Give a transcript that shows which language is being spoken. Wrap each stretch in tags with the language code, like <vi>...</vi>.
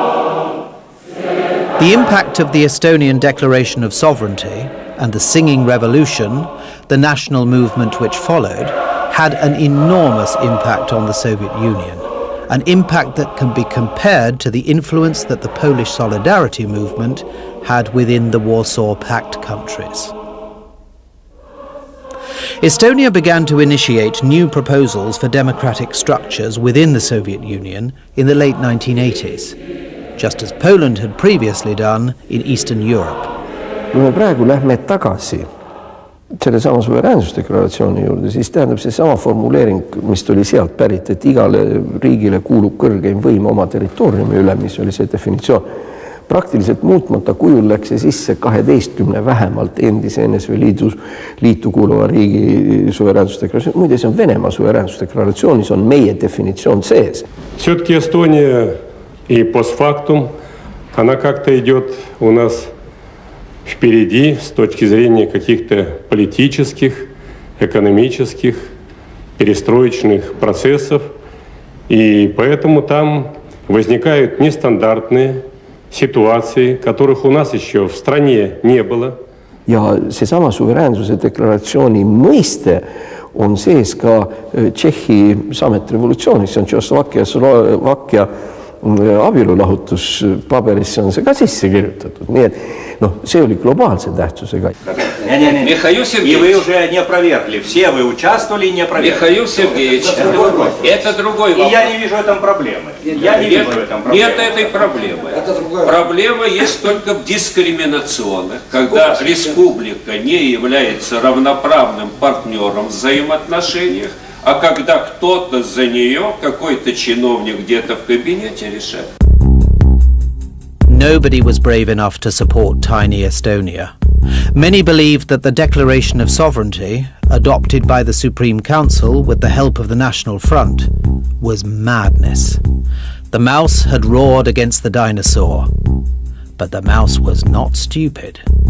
<en>The impact of the Estonian Declaration of Sovereignty and the Singing Revolution, the national movement which followed, had an enormous impact on the Soviet Union, an impact that can be compared to the influence that the Polish Solidarity Movement had within the Warsaw Pact countries. Estonia began to initiate new proposals for democratic structures within the Soviet Union in the late 1980s. Just as Poland had previously done in Eastern Europe.</en> <et>Kui me praegu lähme tagasi selle sama suveräänsusdeklaratsiooni juurde, siis tähendab see sama formuleering, mis tuli sealt pärit, et igale riigile kuulub kõrgeim võim oma territooriumi üle, mis oli see definitsioon. Praktiliselt muutmata kujul läks see sisse 12 vähemalt endise NSV liitu kuuluva riigi suveräänsusdeklaratsiooni. Muide, see on Venema suveräänsusdeklaratsioonis, on meie definitsioon sees. Sõtki Estonia...</et> <ru>И постфактум она как-то идет у нас впереди с точки зрения каких-то политических, экономических, перестроечных процессов. И поэтому там возникают нестандартные ситуации, которых у нас еще в стране не было.</ru> <et>Ja see sama suveräänsuse deklaratsiooni mõiste on sees ka Tšehhi sametrevolutsioonis, see on Čehoslovakkia abielulahutus paberisse on see ka sisse kirjutatud. Nii et, noh, see oli globaalse tähtsusega.</et> <ru>Михаил Сергеевич, и вы уже не опровергли. Все вы участвовали и не опровергли. Михаил Сергеевич, это другой вопрос. И я не вижу в этом проблемы. Нет этой проблемы. Проблема есть только в дискриминационных, когда республика не является равноправным партнером в взаимоотношениях, а когда кто-то за нее, какой-то чиновник где-то в кабинете решает.</ru> <en>Nobody was brave enough to support tiny Estonia. Many believed that the Declaration of Sovereignty, adopted by the Supreme Council with the help of the National Front, was madness. The mouse had roared against the dinosaur. But the mouse was not stupid.</en>